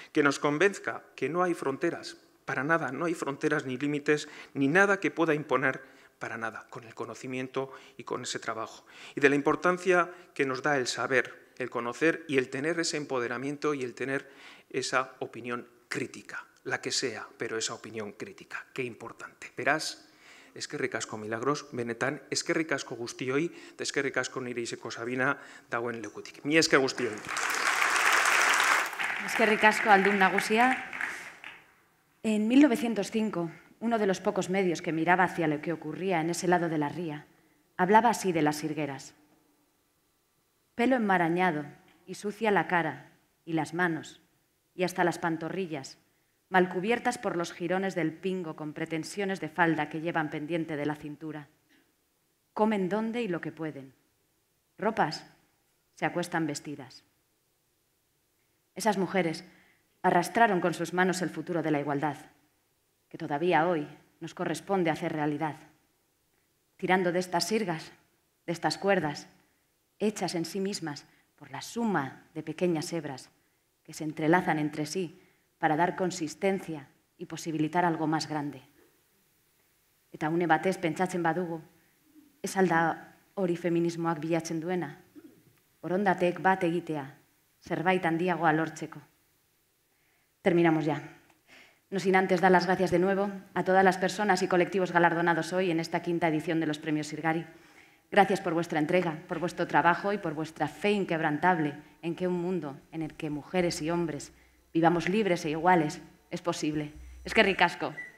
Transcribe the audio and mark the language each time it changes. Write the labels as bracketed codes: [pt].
[es] Que nos convenzca que no hay fronteras, para nada, no hay fronteras ni límites, ni nada que pueda imponer para nada, con el conocimiento y con ese trabajo. Y de la importancia que nos da el saber, el conocer y el tener ese empoderamiento y el tener esa opinión crítica, la que sea, pero esa opinión crítica, qué importante. [eu] Verás, eskerrik asko Milagros, benetan, eskerrik asko guztioi, eskerrik asko nire Iseko Sabina, dagoen lekutik. Mi esker guztioi. Eskerrik asko Aldun Nagusia. [es] En 1905, uno de los pocos medios que miraba hacia lo que ocurría en ese lado de la ría, hablaba así de las sirgueras. Pelo enmarañado y sucia la cara y las manos y hasta las pantorrillas, mal cubiertas por los jirones del pingo con pretensiones de falda que llevan pendiente de la cintura. Comen donde y lo que pueden. Ropas se acuestan vestidas. Esas mujeres arrastraron con sus manos el futuro de la igualdad, que todavía hoy nos corresponde hacer realidad. Tirando de estas sirgas, de estas cuerdas, hechas en sí mismas por la suma de pequeñas hebras que se entrelazan entre sí para dar consistencia y posibilitar algo más grande. [eu] Eta une batez pentsatzen badugu, ez alda hori feminismoak bilatzen duena, borondateek bat egitea, zerbait handiagoa lortzeko. [es] Terminamos ya. No sin antes dar las gracias de nuevo a todas las personas y colectivos galardonados hoy en esta quinta edición de los Premios Sirgari. Gracias por vuestra entrega, por vuestro trabajo y por vuestra fe inquebrantable en que un mundo en el que mujeres y hombres vivamos libres e iguales es posible. [eu] Es que ricasco.